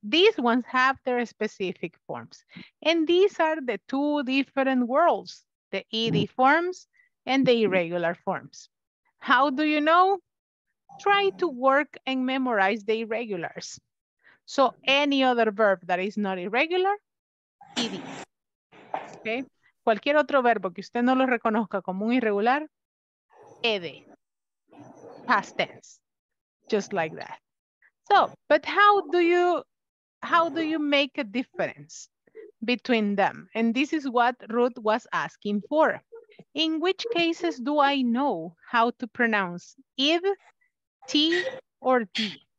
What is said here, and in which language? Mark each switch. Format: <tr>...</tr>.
<en>These ones have their specific forms. And these are the two different worlds, the ED forms and the irregular forms. How do you know? Try to work and memorize the irregulars. So any other verb that is not irregular, ED. Okay?</en> <es>Cualquier otro verbo que usted no lo reconozca como un irregular, ED.</es> <en>Past tense. Just like that. So, but how do you make a difference between them? And this is what Ruth was asking for. In which cases do I know how to pronounce ed, t, or d?</en>